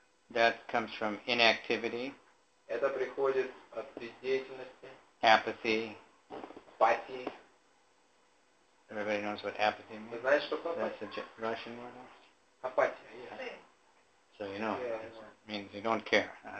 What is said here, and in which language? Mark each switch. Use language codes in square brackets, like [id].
[en] That comes from inactivity. [ru] Это приходит от бездеятельности. [en] Apathy. Apathy. Everybody knows what apathy means. [ru] Вы знаете, что такое? [en] That's a Russian word. Apathy. Yeah. So you know, it means you don't care.